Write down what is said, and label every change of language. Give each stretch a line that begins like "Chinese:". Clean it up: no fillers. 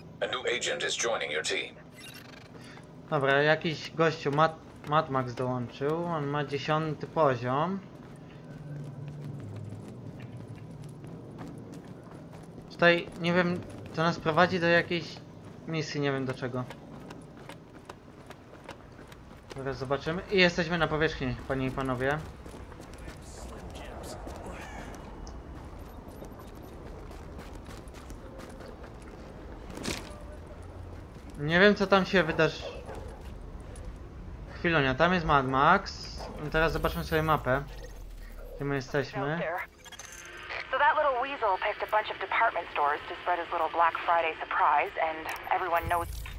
English: A new agent is joining your team.
Polish: Dobra, jakiś gościu Mad Max dołączył. On ma 10 poziom. Tutaj nie wiem, to nas prowadzi do jakiejś misji, nie wiem do czego. Teraz zobaczymy. I jesteśmy na powierzchni, panie i panowie. Nie wiem, co tam się wydarzy. Chwilonia, tam jest Mad Max. Teraz zobaczmy sobie mapę, gdzie my jesteśmy.
English: That little weasel picked a bunch of department stores to spread his little Black Friday surprise, and everyone knows.